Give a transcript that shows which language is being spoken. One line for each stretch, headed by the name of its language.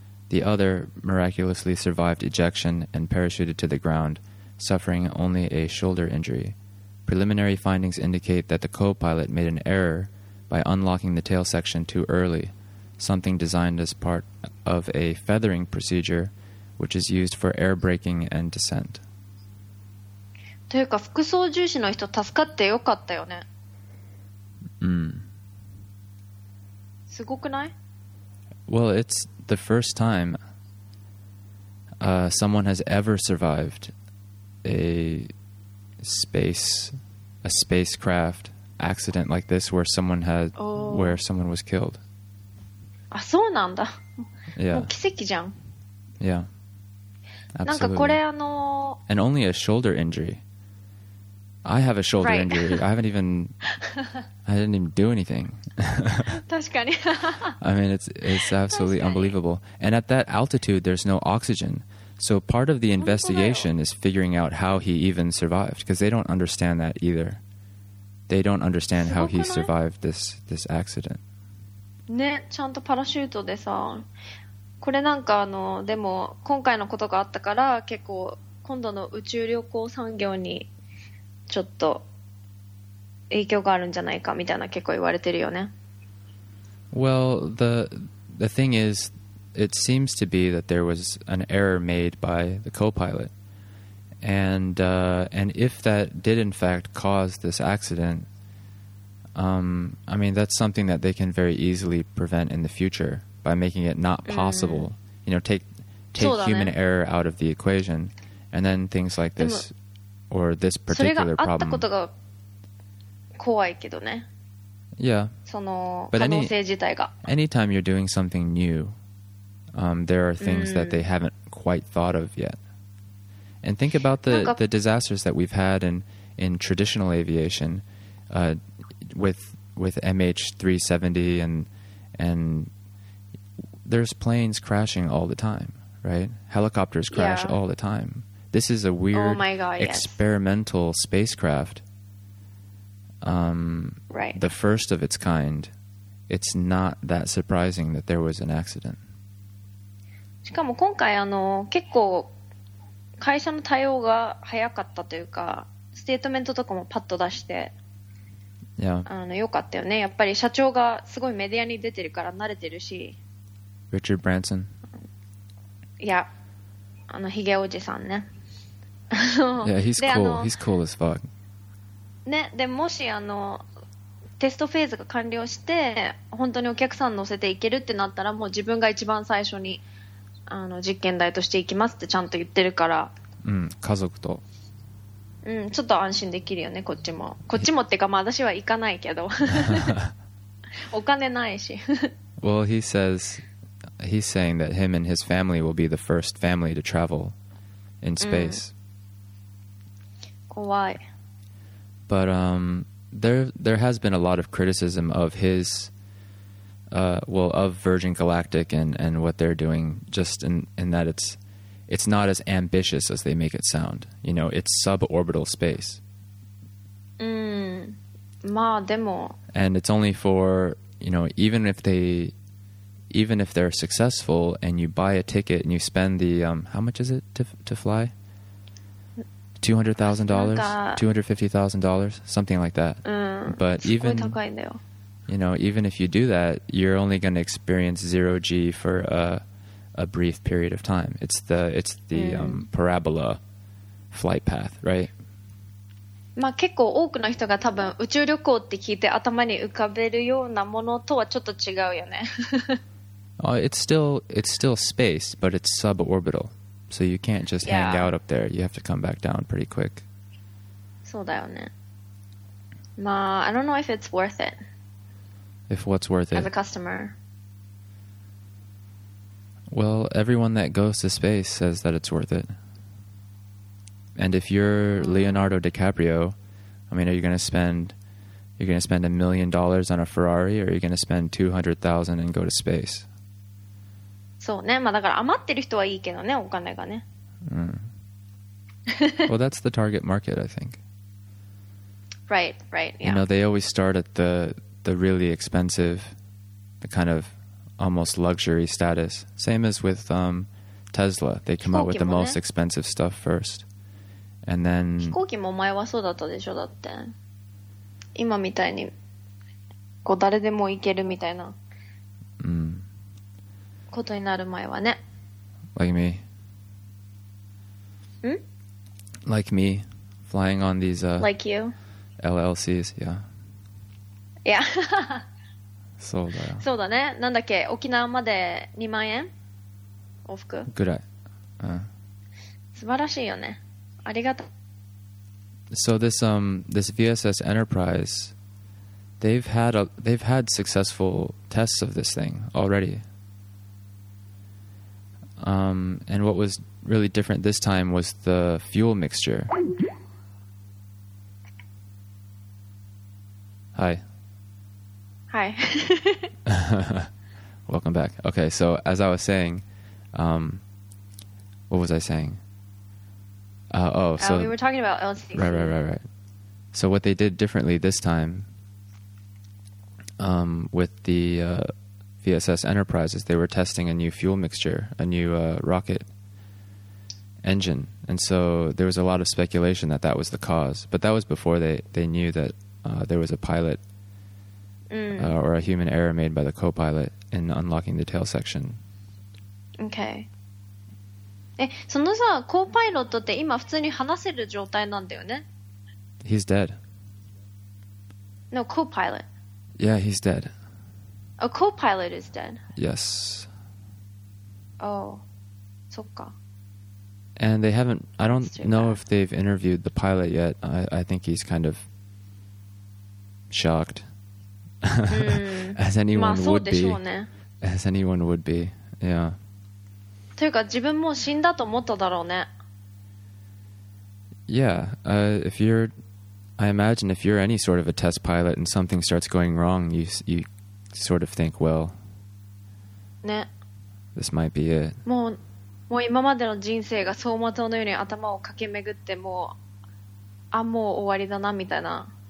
English: The other miraculously survived ejection and parachuted to the ground, suffering only a shoulder injury. Preliminary findings indicate that the co-pilot made an error by unlocking the tail section too early, something designed as part of a feathering procedure, which is used for air braking and descent.
Japanese: というか副操縦士の人助かってよかったよね。うん。すごくない?
English: Well, it's the first time someone has ever survived a spacecraft accident like this where someone had、oh. where someone was killed.
Japanese: あ、そうなんだ。
English: Yeah.
Japanese: もう奇跡じゃん。
English: Yeah. Absolutely.
Japanese: なんかこれ
English: And only a shoulder injury. I have a shoulder、 right. injury. I haven't even... I didn't even do anything.
Japanese: 確かに。
English: I mean, it's absolutely unbelievable. And at that altitude, there's no oxygen. So part of the investigation is figuring out how he even survived. Because they don't understand that either. They don't understand how he survived this accident.
Japanese: ね、ちゃんとパラシュートでさ。これなんかでも今回のことがあったから、結構今度の宇宙旅行産業にちょっと影響があるんじゃないかみたいな結構言われてるよね。
English: Well, the thing is, it seems to be that there was an error made by the co-pilot. And if that did in fact cause this accident, I mean, that's something that they can very easily prevent in the future by making it not possible.、ん、you know, take、
Japanese: ね、
English: human error out of the equation. And then things like this... Or this particular problem.
Japanese: それがあったことが怖いけどね。
English: Yeah.
Japanese: その可能性自体が。
English: Anytime you're doing something new, there are things、うん、that they haven't quite thought of yet. And think about the disasters that we've had in traditional aviation, with MH370 and there's planes crashing all the time, right? Helicopters crash、 all the time. This is a weird、 oh my God, experimental、 yes. spacecraft.、 right. The first of its kind. It's not that surprising that there was an accident.
Japanese: しかも今回結構会社の対応が早かったというか、ステートメントとかもパッと出して、
English: yeah.
Japanese: よかったよね。やっぱり社長がすごいメディアに出てるから慣れてるし。
English: Richard Branson?
Japanese: いや、ヒゲおじさんね。
English: yeah, he's cool. He's cool as fuck.
Japanese: ね、でもしテストフェーズが完了して本当にお客さん乗せていけるってなったら、もう自分が一番最初に実験台として行きますってちゃんと言ってるから、うん、家族と、うん、ちょっと安心できるよね、こっちも。こっちもってか、まあ、私は行かないけど。お金ないし。
English: Well, he says, he's saying that him and his family will be the first family to travel in space.、
Japanese: うん、怖い。
English: But, there has been a lot of criticism of his, well, of Virgin Galactic and what they're doing, just in that it's not as ambitious as they make it sound. You know, it's suborbital space.
Japanese: まあでも。
English: And it's only for, you know, even if they're successful and you buy a ticket and you spend the, how much is it to fly? $200,000? $250,000? Something like that. But even, you know, even if you do that, you're only going to experience zero G for a brief period of time. It's the parabola flight path, right?
Japanese: まあ、結構多くの人が多分宇宙旅行って聞いて頭に浮かべるようなものとはちょっと違うよね。
English: it's still space, but it's suborbital. So you can't just hang out up there. You have to come back down pretty quick.
Japanese: そうだよね。
English: まあ、I don't know if it's worth it. If what's worth it? As a customer. Well, everyone that goes to space says that it's worth it. And if you're Leonardo DiCaprio, I mean, are you going to spend, you're going to spend $1 million on a Ferrari, or are you going to spend $200,000 and go to space?
Japanese: そうね。まあだから余ってる人はいいけどね、お金がね。
English: Well, that's the target market, I think. Right, right, yeah. You know, they always start at the really expensive, the kind of almost luxury status. Same as with Tesla. They come out with the most expensive stuff first. And then,
Japanese: 飛行機も前はそうだったでしょ、だって今みたいにこう誰でも行けるみたいなことになる前はね、
English: Like me ん Like me flying on these like you LLCs yeah yeah
Japanese: そうだよ、そうだね、なんだっけ、沖縄まで2万円往復ぐらい、素晴らしいよね、ありがとう。
English: So this VSS Enterprise, they've had successful tests of this thing already. And what was really different this time was the fuel mixture. Hi. Hi. Welcome back. Okay, so as I was saying, what was I saying? We were talking about LCC. Right. So what they did differently this time with the VSS Enterprise, they were testing a new fuel mixture, a new rocket engine. And so there was a lot of speculation that that was the cause. But that was before they knew that there was a pilot or a human error made by the co-pilot in unlocking the tail section. Okay.
Japanese: え、そのさ、コーパイロットって今普通に話せる状態なんだよね。
English: He's dead. No, co-pilot. Yeah, he's dead. A co-pilot is dead. Yes.
Japanese: Oh, そっか。
English: And they haven't, I don't know if they've interviewed the pilot yet. I think he's kind of shocked. As anyone would be.
Japanese: まあそうでしょうね。
English: As anyone would be, yeah.
Japanese: というか自分も死んだと思っただろうね。
English: Yeah, if you're, I imagine if you're any sort of a test pilot and something starts going wrong, you sort of think, well,
Japanese: ね、
English: this might be it.
Japanese: もう今までの人生が走馬灯のように頭を駆け巡ってもう、あ、もう終わりだなみたいな。